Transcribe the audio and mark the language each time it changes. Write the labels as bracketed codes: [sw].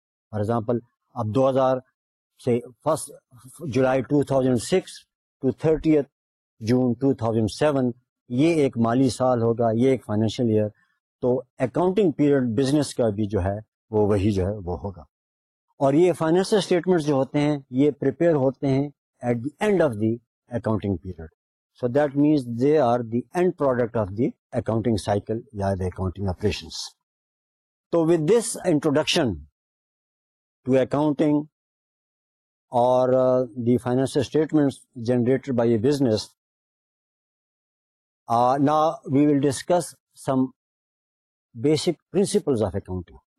[en] for example [ur] اب 1st July 2006 to 30th June 2007 یہ ایک مالی سال ہوگا, یہ ایک فائنینشیل ایئر. تو اکاؤنٹنگ پیریڈ بزنس کا بھی جو ہے وہ وہی جو ہے وہ ہوگا. اور یہ فائنینشیل اسٹیٹمنٹس جو ہوتے ہیں یہ پریپیئر ہوتے ہیں [en] At the end of the accounting period. So that means they are the end product of the accounting cycle یا the accounting operations. تو with this introduction to accounting اور the financial statements generated by a business, now we will discuss some basic principles of accounting.